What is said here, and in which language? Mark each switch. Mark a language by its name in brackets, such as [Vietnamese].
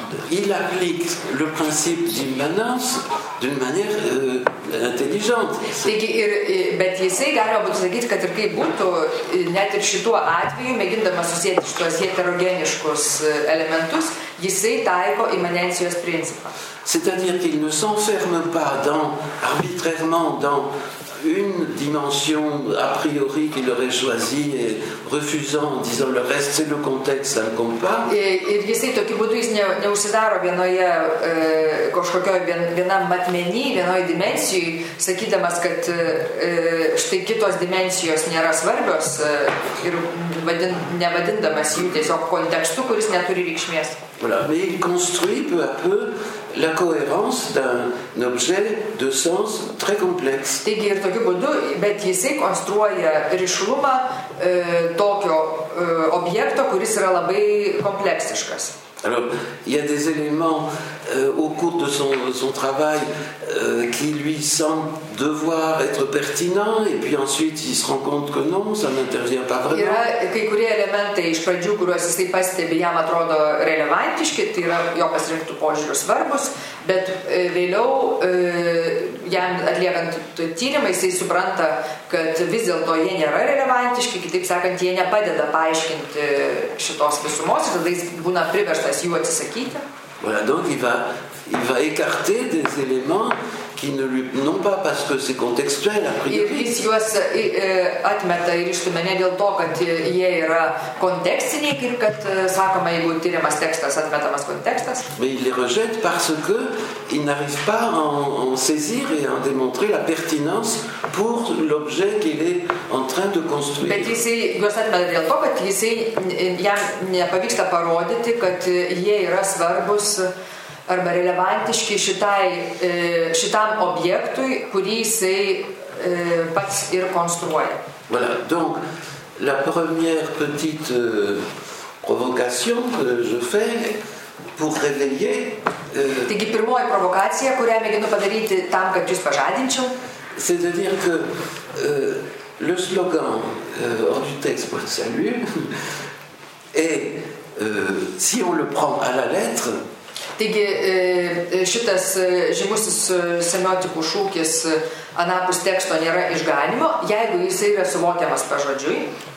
[French] Il applique le principe d'immanence d'une manière intelligente. [Lithuanian] Taigi, bet jisai galima būtų sakyti, kad ir kaip būtų, net ir šituo atveju, mėgindamas susieti šituos heterogeniškus elementus, jisai taiko imanencijos principą. [French] C'est-à-dire qu'il ne s'enferme pas dans, arbitrairement dans une dimension a priori qu'il aurait choisie et refusant, disant le reste c'est le contexte, ça ne compte pas. [Lithuanian] Et jisai tokiu būdu jis neužsidaro vienoje kažkokioje vienam matmeny, vienoje dimensijoje, sakydamas, kad štai kitos dimensijos nėra svarbios ir nevadindamas jų tiesiog kontekstu, kuris neturi reikšmės. [French] Voilà, mais il construit peu à peu la cohérence d'un objet de sens très complexe. [Lithuanian] Taigi ir tokiu būdu, bet jisai konstruoja ryšlumą tokio objekto, kuris yra labai kompleksiškas. [French] Alors, il y a des éléments au cours de son travail qui lui semblent devoir être pertinents et puis ensuite il se rend compte que non, ça n'intervient pas vraiment. [Lithuanian] Yra kai kurie elementai iš pradžių, kuriuos jisai pastebė, jam atrodo relevantiški, tai yra jo pasirinktų požiūrių svarbus, bet vėliau jam atliekant tyrimą, jisai supranta, kad vis dėlto jie nėra relevantiški, kitaip sakant, jie nepadeda paaiškinti šitos visumos ir tada jis būna priverstas [French] Voilà, donc il va écarter des éléments qui ne lui non pas parce que c'est contextuel a priori. [Lithuanian] Ir jis juos atmeta ir ištumė ne dėl to, kad jie yra kontekstiniai, kaip kad sakoma, jeigu tyriamas tekstas atmetamas kontekstas. [French] Mais il les rejette parce que il n'arrive pas à en saisir et en démontrer la pertinence pour l'objet qu'il est en train de construire. [Lithuanian] Bet jisai juos atmeta dėl to, kad jisai jam nepavyksta parodyti, kad jie yra svarbus arba relevantiški šitam objektui, kurį jisai pats ir konstruoja. [French] Voilà, donc la première petite provocation que je fais pour réveiller [Lithuanian] Taigi pirmoji provokacija, kurią mėginu padaryti tam, kad jūs pažadinčiau. [French] C'est-à-dire que le slogan hors du texte pour le salut est si on le prend à la lettre [Lithuanian] Taigi šitas žymusis semiotikų šūkis anapus teksto nėra išganimo, jeigu jis yra suvokiamas pažodžiui.